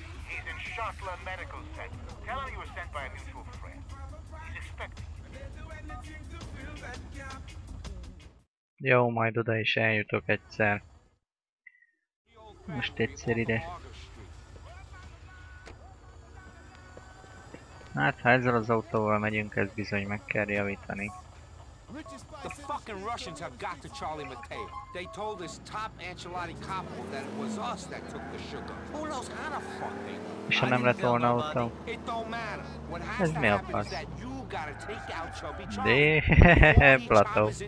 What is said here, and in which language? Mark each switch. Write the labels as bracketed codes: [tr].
[en] He's in Shotland Medical Center. Tell him you were sent by a mutual friend. He's expecting. [hu] Jó, majd oda is eljutok egyszer. Most egyszer ide. Hát, ha ezzel az autóval megyünk, ez bizony meg kell javítani. [en] The fucking Russians have got to Charlie Mateo. They told this top Ancelotti cop that it was us that took the sugar. Who knows how the fuck they know? [hu] És ha nem lett volna ott, [en] it don't matter. What has to happen is that you gotta take out Chubby Charlie. Plato.